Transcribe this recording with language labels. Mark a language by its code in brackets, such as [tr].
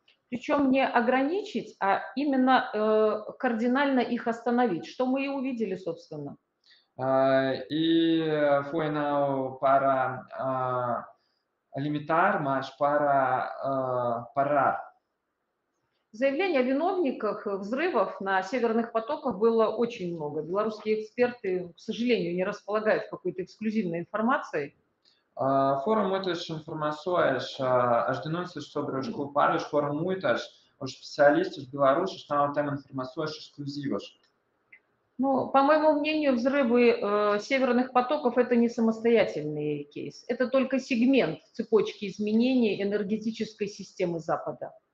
[ru] Причем не ограничить, а именно кардинально их остановить, что мы и увидели, собственно. И [pt] foi não para limitar, mas para parar. [ru] Заявлений о виновниках взрывов на северных потоках было очень много. Белорусские эксперты, к сожалению, не располагают какой-то эксклюзивной информацией. [pt] Foram muitas informações, as denúncias sobre os culpados foram muitas. Os especialistas belarussos estão tendo informações exclusivas. [ru] Ну, по моему мнению, взрывы северных потоков – это не самостоятельный кейс. Это только сегмент цепочки изменений энергетической системы Запада.